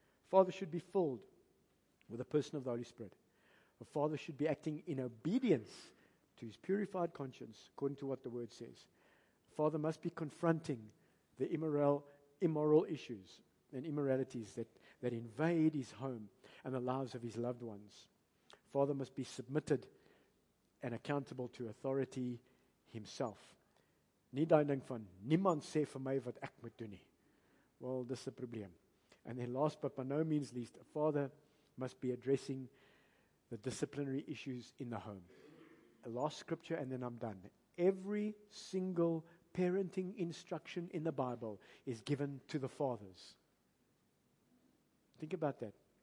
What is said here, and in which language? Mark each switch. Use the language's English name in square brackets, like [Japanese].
[English] Father should be filled with the person of the Holy Spirit. A father should be acting in obedience to his purified conscience according to what the word says. Father must be confronting the immoral issues and immoralities that invade his home and the lives of his loved ones. Father must be submitted and accountable to authority himself. [Afrikaans] Niemand sê vir my wat ek moet doen nie. [English] Well, this is a problem. And then last but by no means least, a father must be addressing the disciplinary issues in the home. A last scripture and then I'm done. Every single parenting instruction in the Bible is given to the fathers. Think about that.